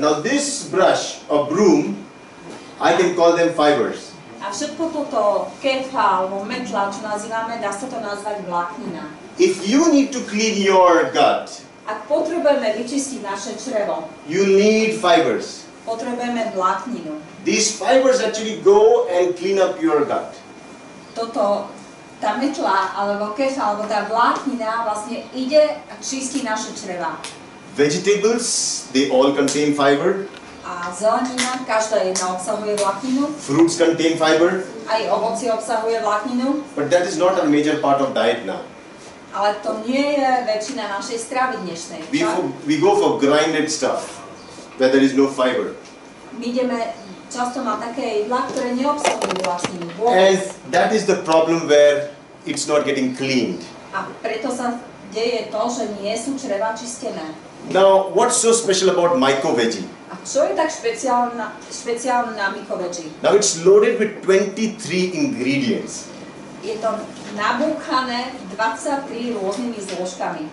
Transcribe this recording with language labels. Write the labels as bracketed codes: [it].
[en] Now this brush or broom, I can call them fibers. [sk] A všetko toto kefa alebo metla, čo nazývame, dá sa to nazvať vláknina. [en] If you need to clean your gut, [sk] ak potrebujeme vyčistiť naše črevo, [en] you need fibers. [sk] Potrebujeme vlákninu. [en] These fibers actually go and clean up your gut. [sk] Toto, tá metla, alebo kefa, alebo tá vláknina vlastne ide a čistí naše čreva. [en] Vegetables, they all contain fiber. [sk] A zelenina, každá jedna obsahuje vlákninu. [en] Fruits contain fiber. [sk] Aj ovocie obsahuje vlákninu. [en] But that is not a major part of diet now. [sk] Ale to nie je väčšina našej stravy dnešnej. [en] We go for grinded stuff, where there is no fiber. [sk] My ideme často na také jedlá, ktoré neobsahujú vlákninu. [en] And that is the problem where it's not getting cleaned. [sk] A preto sa deje to, že nie sú čreva čistené. [en] Now, what's so special about MycoVeggie? [sk] Čo je tak špeciálne na MycoVeggie? [en] Now it's loaded with 23 ingredients. [sk] Je to nabúchané 23 rôznymi zložkami.